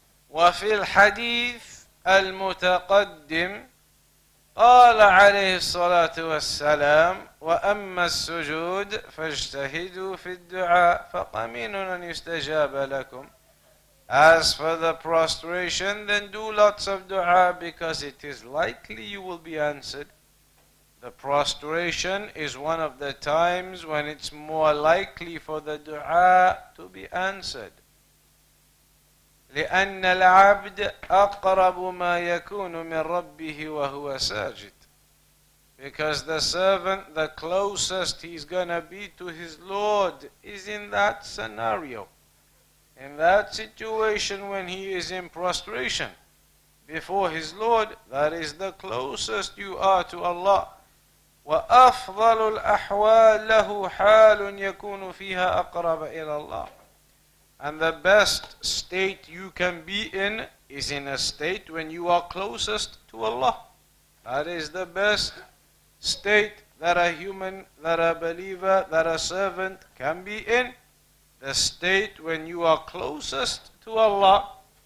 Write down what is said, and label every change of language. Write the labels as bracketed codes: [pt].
[ar] وفي الحديث المتقدم قال عليه الصلاة والسلام وأما السجود فاجتهدوا في الدعاء فقمين أن يستجاب لكم. [en] As for the prostration, then do lots of dua because it is likely you will be answered. The prostration is one of the times when it's more likely for the dua to be answered. [ar] لأن العبد أقرب ما يكون من ربه وهو ساجد. [en] Because the servant, the closest he's gonna be to his Lord is in that scenario, in that situation when he is in prostration before his Lord, that is the closest you are to Allah. [ar] وأفضل الأحوال له حال يكون فيها أقرب إلى الله. [en] And the best state you can be in is in a state when you are closest to Allah. That is the best state that a human, that a believer, that a servant can be in. The state when you are closest to Allah.